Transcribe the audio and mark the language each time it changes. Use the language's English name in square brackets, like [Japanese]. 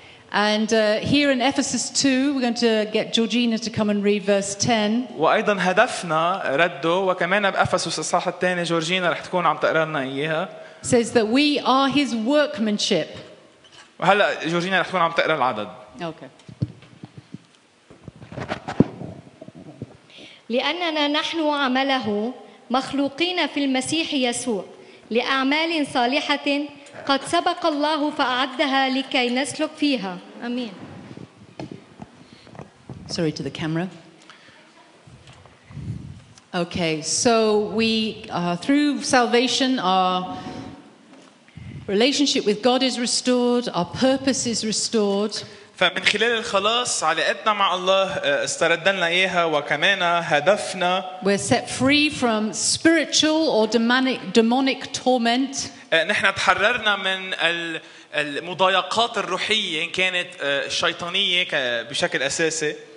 [English] And here in Ephesus 2, we're going to get Georgina to come and read verse 10. [Arabic] وأيضا هدفنا رده وكمان بأفسس الصحة الثانية جورجينا رح تكون عم تقرأ لنا إياها. [English] Says that we are His workmanship. [Arabic] وهلا جورجينا رح تكون عم تقرأ العدد. [English] Okay. [Arabic] لأننا نحن عمله مخلوقين في المسيح يسوع لأعمال صالحة قد سبق الله فأعدها لكي نسلك فيها. آمين. [English] Sorry to the camera. Okay, so we through salvation our relationship with God is restored, our purpose is restored. [Arabic] فمن خلال الخلاص علاقتنا مع الله استردلنا إياها وكمان هدفنا. [English] We're set free from spiritual or demonic torment. [Arabic] نحن تحررنا من المضايقات الروحية إن كانت شيطانية بشكل أساسي.